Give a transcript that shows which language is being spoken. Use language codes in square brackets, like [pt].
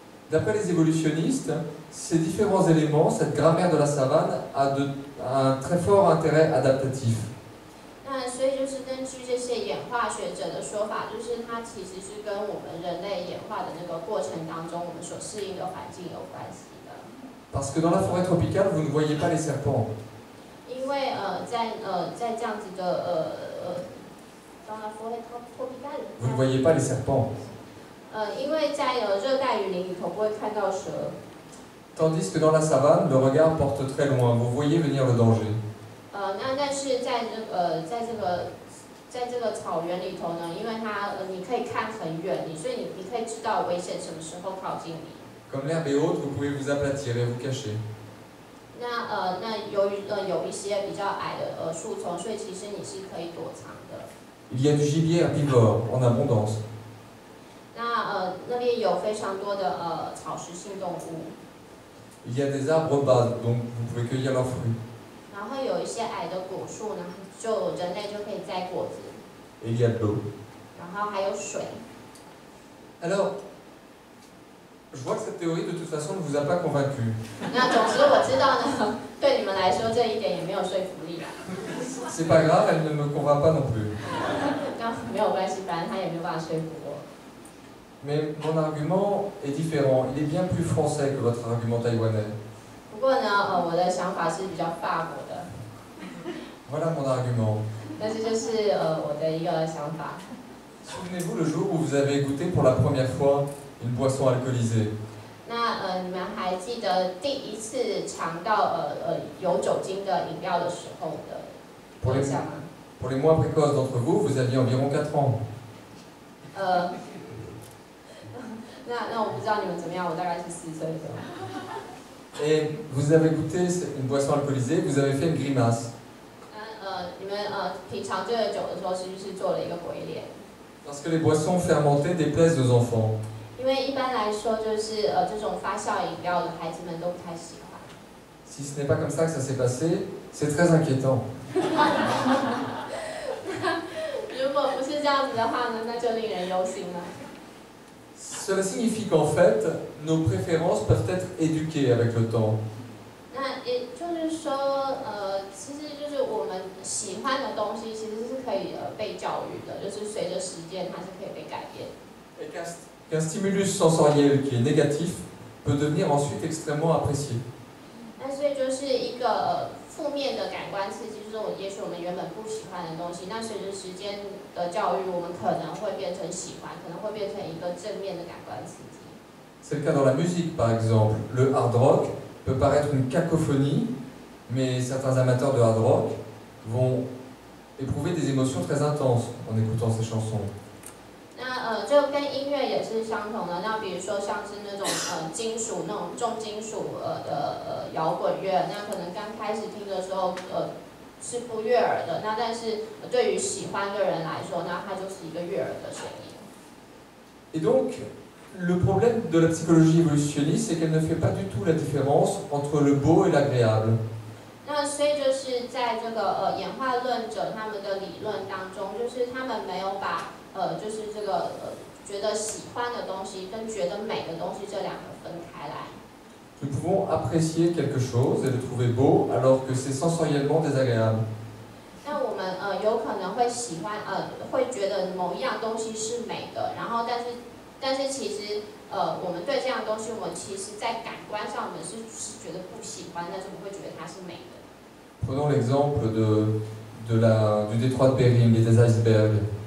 [fr] D'après les évolutionnistes, ces différents éléments, cette grammaire de la savane, a un très fort intérêt adaptatif. [zh] 所以就是根据这些演化学者的说法，就是它其实是跟我们人类演化的那个过程当中，我们所适应的环境有关系的。 [fr] Parce que dans la forêt tropicale, vous ne voyez pas les serpents. [zh] 因为在这样子的 [fr] dans la forêt tropicale. Vous ne voyez pas les serpents. [zh] 因为在热带雨林里头不会看到蛇。 [fr] Tandis que dans la savane, le regard porte très loin. Vous voyez venir le danger. [zh] 那但是在这个在这个在这个草原里头呢，因为它你可以看很远，所以你可以知道危险什么时候靠近你。 [fr] Comme l'herbe est haute, vous pouvez vous aplatir et vous cacher. [zh] 那由于有一些比较矮的树丛，所以其实你是可以躲藏的。 [fr] Il y a du gibier herbivore en abondance. [zh] 那边有非常多的草食性动物。 [fr] Il y a des arbres bas, donc vous pouvez cueillir leurs fruits. [zh] 然后有一些矮的果树呢，就人类就可以摘果子。 [fr] Il y a de l'eau. [zh] 然后还有水。 [fr] Alors. Je vois que cette théorie, de toute façon, ne vous a pas convaincu. [zh] 那总之我知道呢，对你们来说这一点也没有说服力啦。 [fr] C'est pas grave, elle ne me convainc pas non plus. [zh] 那没有关系，反正他也没有办法说服我。 [fr] Mais mon argument est différent. Il est bien plus français que votre argument taïwanais. [zh] 不过呢，我的想法是比较法国的。 [fr] Voilà mon argument. [zh] 那这就是我的一个想法。 [fr] Souvenez-vous le jour où vous avez goûté pour la première fois. Une boisson alcoolisée. [zh] 那你们还记得第一次尝到有酒精的饮料的时候的印象吗 [fr] ？Pour les moins précoces d'entre vous, vous aviez environ 4 ans. [zh] 那我不知道你们怎么样，我大概是四岁的。 [fr] Et vous avez goûté une boisson alcoolisée, vous avez fait une grimace. [zh] 你们品尝这个酒的时候，是不是做了一个鬼脸 [fr] ？Parce que les boissons fermentées déplaisent aux enfants. [zh] 因为一般来说，就是这种发酵饮料的孩子们都不太喜欢。 [fr] Si ce n'est pas comme ça que ça s'est passé, c'est très inquiétant. [zh] 如果不是这样子的话呢，那就令人忧心了。 [fr] Cela signifie qu'en fait, nos préférences peuvent être éduquées avec le temps. [zh] 那也就是说，其实就是我们喜欢的东西，其实是可以被教育的，就是随着时间，它是可以被改变。 [fr] Qu'un stimulus sensoriel qui est négatif peut devenir ensuite extrêmement apprécié. [zh] 那所以就是一个负面的感官刺激，就是也许我们原本不喜欢的东西，那随着时间的教育，我们可能会变成喜欢，可能会变成一个正面的感官刺激。 [fr] C'est le cas dans la musique, par exemple. Le hard rock peut paraître une cacophonie, mais certains amateurs de hard rock vont éprouver des émotions très intenses en écoutant ces chansons. [zh] 就跟音乐也是相同的。那比如说像是那种金属那种重金属的摇滚乐，那可能刚开始听的时候是不悦耳的。那但是对于喜欢的人来说，那它就是一个悦耳的声音。 [fr] Et donc, le problème de la psychologie évolutionniste, c'est qu'elle ne fait pas du tout la différence entre le beau et l'agréable. [zh] 那所以就是在这个演化论者他们的理论当中，就是他们没有把就是这个觉得喜欢的东西跟觉得美的东西这两个分开来。 [fr] Nous pouvons apprécier quelque chose et le trouver beau, alors que c'est sensoriellement désagréable. [zh] 那我们有可能会喜欢会觉得某一样东西是美的，然后但是其实我们对这样东西，我们其实在感官上我们是觉得不喜欢，但是我们会觉得它是美的。 [fr] Prenons l'exemple du détroit de Bering et des icebergs.